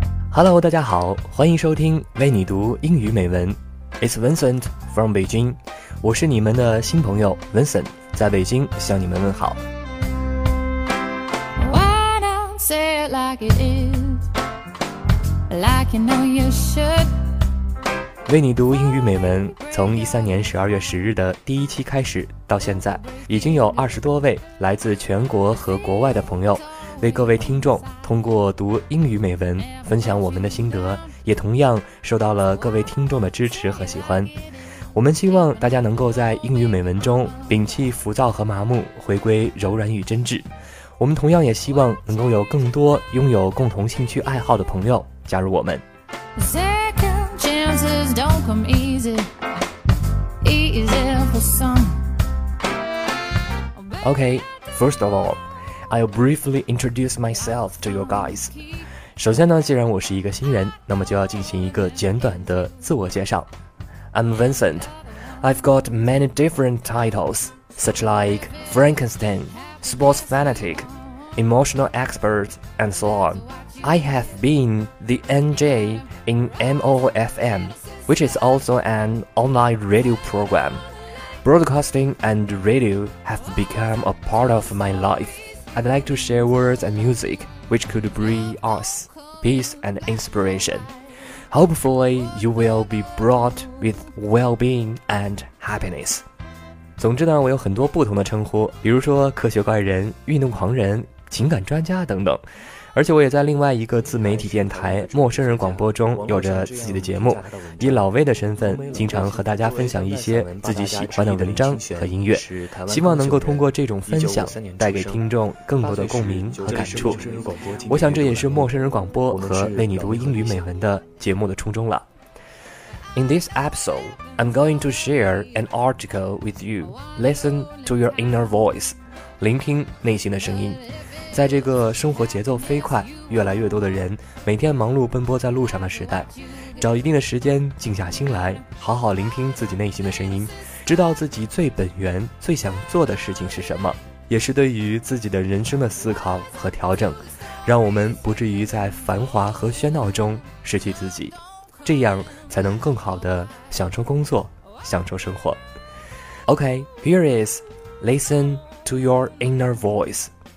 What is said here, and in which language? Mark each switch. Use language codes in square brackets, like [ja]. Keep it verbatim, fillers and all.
[zh] Hello， 大家好，欢迎收听为你读英语美文。 [en] It's Vincent from Beijing， [zh] 我是你们的新朋友 Vincent， 在北京向你们问好。 [en] Why don't say it like it is, like you know you should. [zh] 为你读英语美文，从二零一三年十二月十日的第一期开始到现在，已经有二十多位来自全国和国外的朋友。为各位听众通过读英语美文分享我们的心得，也同样受到了各位听众的支持和喜欢。我们希望大家能够在英语美文中摒弃浮躁和麻木，回归柔软与真挚。我们同样也希望能够有更多拥有共同兴趣爱好的朋友加入我们。 [en] Second chances don't come easy, easy for some. Okay, first of all. I'll briefly introduce myself to you guys. [zh] 首先呢，既然我是一个新人，那么就要进行一个简短的自我介绍。 [en] I'm Vincent. I've got many different titles, such like Frankenstein, sports fanatic, emotional expert, and so on. I have been the N J in M O F M, which is also an online radio program. Broadcasting and radio have become a part of my life. I'd like to share words and music which could bring us peace and inspiration. Hopefully, you will be brought with well-being and happiness. [zh] 总之呢，我有很多不同的称呼，比如说科学怪人、运动狂人、情感专家等等。而且我也在另外一个自媒体电台陌生人广播中有着自己的节目，以老魏的身份经常和大家分享一些自己喜欢的文章和音乐，希望能够通过这种分享带给听众更多的共鸣和感触。我想这也是陌生人广播和为你读英语美文的节目的初衷了。 [en] In this episode, I'm going to share an article with you. Listen to your inner voice. [zh] 聆听内心的声音。在这个生活节奏飞快，越来越多的人每天忙碌奔波在路上的时代，找一定的时间静下心来，好好聆听自己内心的声音，知道自己最本源最想做的事情是什么，也是对于自己的人生的思考和调整，让我们不至于在繁华和喧闹中失去自己，这样才能更好地享受工作，享受生活。 [en] Okay, here is Listen to your inner voice.